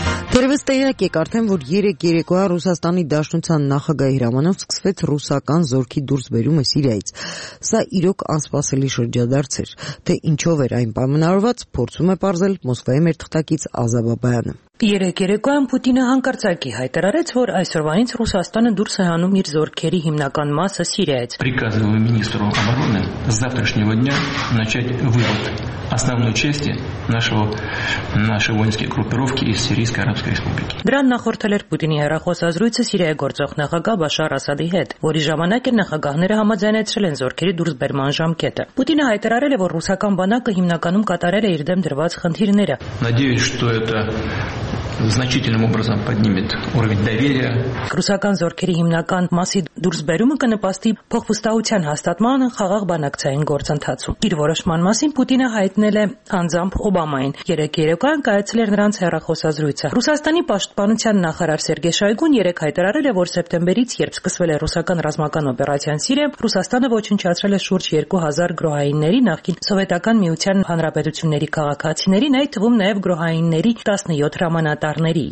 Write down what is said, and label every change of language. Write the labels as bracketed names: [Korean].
[Armenian] Դերևս տեղյակ եք արդեն, որ 3-3-ը Ռուսաստանի Դաշնության նախագահի հրամանով սկսվեց ռուսական զորքի դուրսբերումը Սիրիայից։ Սա իրոք անսպասելի շրջադարձ էր, թե ինչով էր այն պայմանավորված, փորձում է պարզել Մոսկվայի մեր թղթակից Ազա Բաբայանը։ 3-3-ին Պուտինը հանկարծակի հայտարարեց, որ այսօրվանից Ռուսաստանը դուրս է հանում իր զորքերի հիմնական մասը Սիրիայից։ [Russian] Приказываю министру обороны с завтрашнего дня начать вывод основной части нашей воинской группировки из Сирийской Арабской Республики։ [Armenian] Դրան նախորդել էր Պուտինի հեռախոս ազրույցը Սիրիայի գործող նախագահ Բաշար Ասադի հետ, որի ժամանակ էր նախագահները համաձայնեցրել են զորքերի դուրսբերման ժամկետը։ Պուտինը հայտարարել է, որ ռուսական բանակը հիմնականում կատարել է իր դեմ դրված խնդիրները։ [Russian] Надеюсь, что это значительным образом поднимет уровень доверия. [Armenian] Ռուսական զորքերի հիմնական մասի դուրսբերումը կնպաստի փոխվստահության հաստատմանը խաղաղ բանակցային գործընթացում։ Իր որոշման մասին Պուտինը հայտնել է անձամբ Օբամային։ 3-3-ին կայացել էր նրանց հեռախոսազրույցը։ Ռուսաստանի պաշտպանության նախարար Սերգեյ Շայգուն 3 հայտարարել է, որ սեպտեմբերից, երբ սկսվել է ռուսական ռազմական օպերացիան Սիրիայում, Ռուսաստանը ոչնչացրել է շուրջ 2000 գրոհայինների, նախկին Սովետական Միության հանրապետությունների քաղաքացիների, այդ թվում նաև գրոհայինների 17 ռամանատարների,